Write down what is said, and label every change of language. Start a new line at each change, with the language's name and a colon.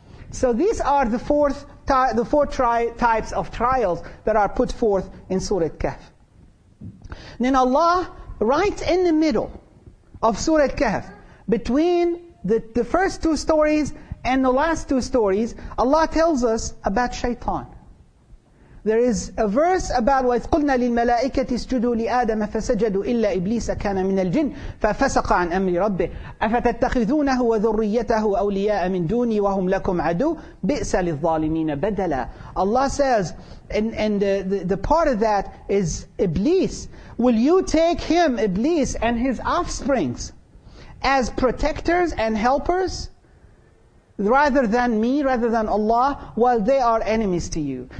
English: So these are the four types of trials that are put forth in Surah Kahf. Then Allah, right in the middle of Surah Kahf, between the first two stories and the last two stories, Allah tells us about shaitan. There is a verse about
Arabic: وَإِذْقُلْنَا لِلْمَلَائِكَةِ اسْجُدُوا لِآدَمَ فَسَجَدُوا إِلَّا إِبْلِيسَ كَانَ مِنَ الْجِنِّ فَفَسَقَ عَنْ أَمْرِ رَبِّهِ أَفَتَتَّخِذُونَهُ وَذُرِّيَّتَهُ أَوْلِيَاءَ مِنْ دُونِي وَهُمْ لَكُمْ عَدُوٌّ بِئْسَ لِلظَّالِمِينَ بَدَلًا.
English: Allah says, and the part of that is Iblis. Will you take him, Iblis, and his offsprings as protectors and helpers rather than me, rather than Allah, while they are enemies to you?